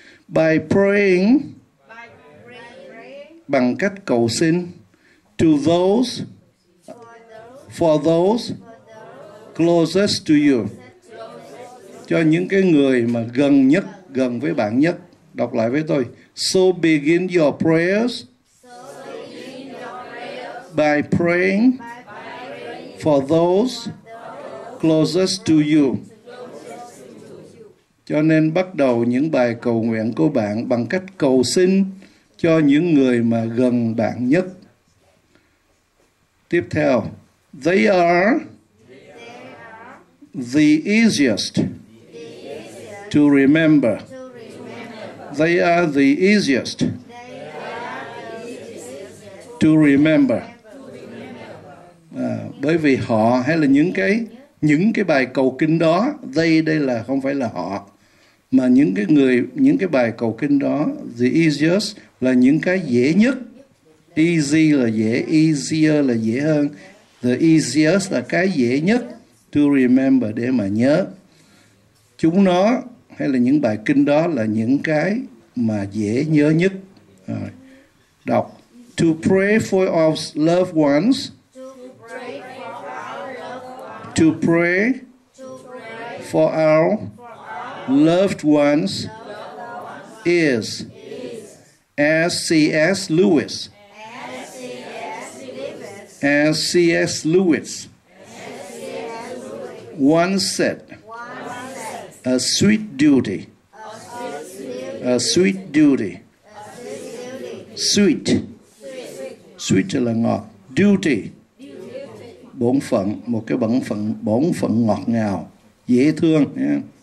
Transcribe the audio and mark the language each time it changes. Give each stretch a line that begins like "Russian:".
English: By praying,
Vietnamese: bằng cách cầu xin,
English: to those, for those closest to you,
Vietnamese: cho những cái người mà gần nhất, gần với bạn nhất. Đọc lại với tôi.
English: So begin your prayers by praying for those closest to you.
Vietnamese: Cho nên bắt đầu những bài cầu nguyện của bạn bằng cách cầu xin cho những người mà gần bạn nhất. Tiếp theo,
English: they are the easiest to remember. They are the easiest to remember.
Vietnamese: Bởi vì họ, hay là những cái bài cầu kinh đó, đây là không phải là họ, mà những cái người, những cái bài cầu kinh đó,
English: the easiest
Vietnamese: là những cái dễ nhất. Easy là dễ, easier là dễ hơn.
English: The easiest
Vietnamese: là cái dễ nhất.
English: to remember,
Vietnamese: để mà nhớ. Chúng nó hay là những bài kinh đó là những cái mà dễ nhớ nhất. Rồi. Đọc.
English: To pray for our loved ones. To pray for our loved ones is as C.S. Lewis. As C.S. Lewis once said, a sweet duty, a sweet duty, sweet, sweet
Vietnamese: là ngọt,
English: duty,
Vietnamese: bổn phận, một cái bổn phận ngọt ngào, dễ thương.
English: Yeah.